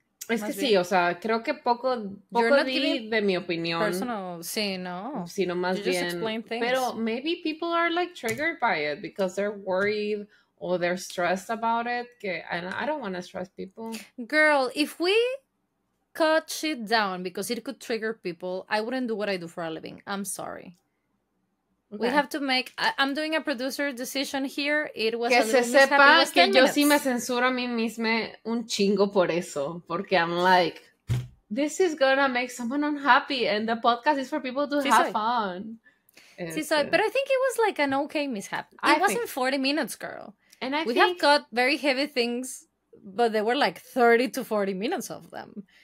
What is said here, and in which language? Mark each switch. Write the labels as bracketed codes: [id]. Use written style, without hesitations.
[es] Es que sí, o sea, creo que poco di de mi opinión. Personal, sí, no. Sino más bien. [en] You just explain things. [es] Pero [en] maybe people are like triggered by it because they're worried or they're stressed about it. [es] Que, [en] and I don't want to stress people. Girl, if we cut shit down because it could trigger people, I wouldn't do what I do for a living. I'm sorry. Okay. We have to make... I'm doing a producer decision here. It was [es] que [en] a little [es] se sepa que yo sí me censuro a mí misma un chingo por eso. Porque [en] I'm like, this is gonna make someone unhappy and the podcast is for people to have fun. [es] Sí, soy. [en] But I think it was like an okay mishap. It wasn't 40 minutes, girl. And I have got very heavy things, but there were like 30 to 40 minutes of them.